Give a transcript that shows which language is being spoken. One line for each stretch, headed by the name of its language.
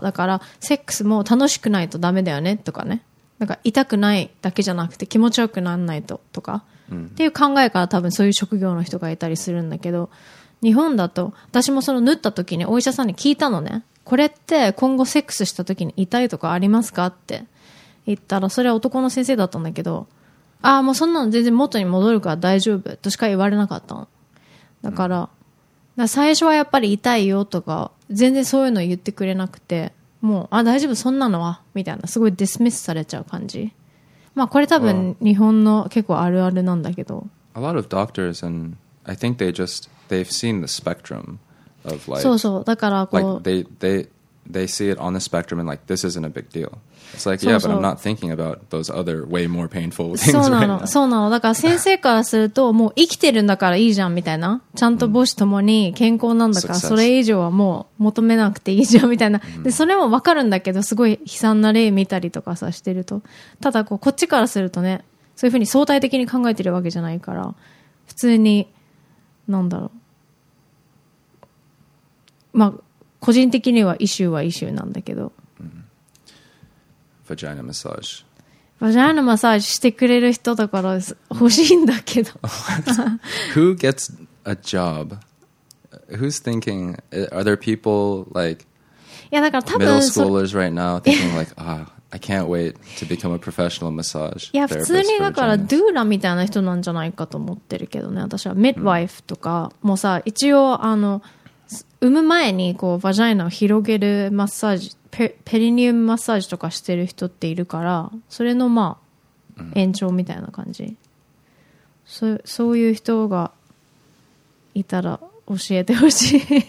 Japanese: だからセックスも楽しくないとダメだよねとかね、なんか痛くないだけじゃなくて気持ちよくならないととか、っていう考えから多分そういう職業の人がいたりするんだけど、日本だと私もその縫った時にお医者さんに聞いたのね、これって今後セックスした時に痛いとかありますかって言ったら、それは男の先生だったんだけど、ああもうそんなの全然元に戻るから大丈夫としか言われなかったの。だから、最初はやっぱり痛いよとか全然そういうの言ってくれなくて、もうあ大丈夫そんなのはみたいな、すごいディスミスされちゃう感じ。まあこれ多分日本の結構あるあるなんだけど、
English: well, a lot of doctors and I think they just they've seen the spectrum of like,
Japanese: そうそう、だからこう、
English: like、they see it on the spectrum and like this isn't a big deal. It's like yeah, but I'm not thinking about those other way more painful things.
Japanese: そうなの、そうなの。だから先生からするともう生きてるんだからいいじゃんみたいな。ちゃんと母子ともに健康なんだからそれ以上はもう求めなくていいじゃんみたいな。でそれもわかるんだけど、すごい悲惨な例見たりとかさしてると。ただこうこっちからするとね、そういうふうに相対的に考えてるわけじゃないから、普通になんだろう。まあ。個人的にはイシューはイシューなんだけど、
English: vagina massage. Vagina massage
Japanese: してくれる人だから欲しいんだけど。
English: Who gets a job? Who's thinking? Are there people like middle schoolers right now thinking like, ah, I can't wait to become a professional massage therapist?
Japanese: いや普通にだからドゥーラみたいな人なんじゃないかと思ってるけどね。私は midwife とかもさ、一応あの産む前にこうバジャイナを広げるマッサージ、ペリニウムマッサージとかしてる人っているから、それのまあ延長みたいな感じ、そういう人がいたら教えてほしい。